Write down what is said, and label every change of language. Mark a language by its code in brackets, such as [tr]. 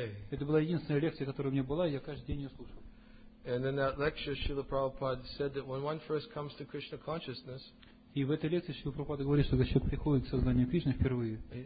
[ru] Это была единственная лекция, которая у меня была, и я каждый день ее слушал. [en] And in that lecture, Srila Prabhupada said that when one first comes to Krishna consciousness. [ru] И в этой лекции Шрила Прабхупада говорит, что когда человек приходит к сознанию Кришны впервые.